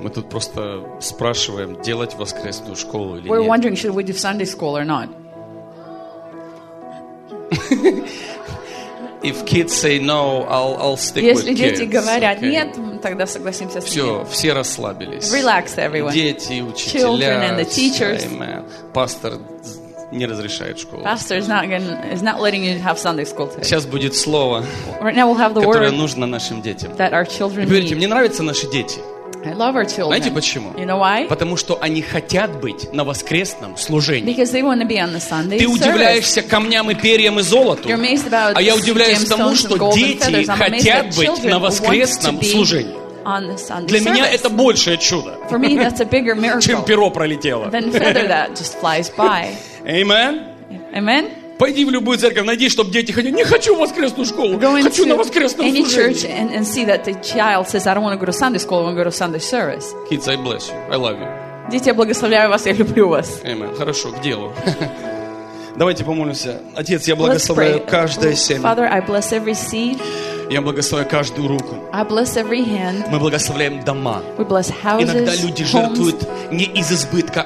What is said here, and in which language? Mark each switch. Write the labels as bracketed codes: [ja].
[ru] Мы тут просто спрашиваем, делать воскресную школу или нет. [en] We're wondering, should we do Sunday school or not? If kids say no, I'll stick with kids. [ru] Если дети говорят нет, тогда согласимся с ними. Все, все расслабились. [en] Relax, everyone. [ru] Дети, учителя. [en] Children and the teachers. Amen. [ru] Пастор не разрешает школу. [en] Pastor is not letting you have Sunday school today. [ru] Сейчас будет слово, [en] right now we'll have the [ru] которое [en] word [ru] нужно нашим детям. [en] That our children [ru] Поверьте, [en] need. [ru] Мне нравятся наши дети. [en] I love our children. [ru] Знаете почему? [en] You know why? [ru] Потому что они хотят быть на воскресном служении. [en] Because they want to be on the Sunday [ru] Ты удивляешься [en] service. [ru] Камням и перьям и золоту, [en] You're amazed about [ru] а я удивляюсь тому, что дети хотят быть на воскресном служении. [en] On the Sunday [ru] Для меня [en] service. [ru] Это большее чудо, [en] For me, that's a bigger miracle [ru] чем перо пролетело. [en] Than feather that just flies by. Amen. Amen. [ru] Пойди в любую церковь, найди, чтобы дети хотели. Не хочу в воскресную школу. [en] Go into [ru] хочу на воскресном служении. [en] Any church and see that the child says, I don't want to go to Sunday school, I want to go to Sunday service. Kids, I bless you. I love you. [ru] Дети, я благословляю вас, я люблю вас. Amen. Хорошо, к делу. Давайте помолимся. Отец, я благословляю каждое семя. [en] Father, I bless every seed. [ru] Я благословляю каждую руку. [en] I bless every hand. [ru] Мы благословляем дома. [en] We bless houses, [ru] Иногда люди [en] homes. [ru] Жертвуют не из избытка, а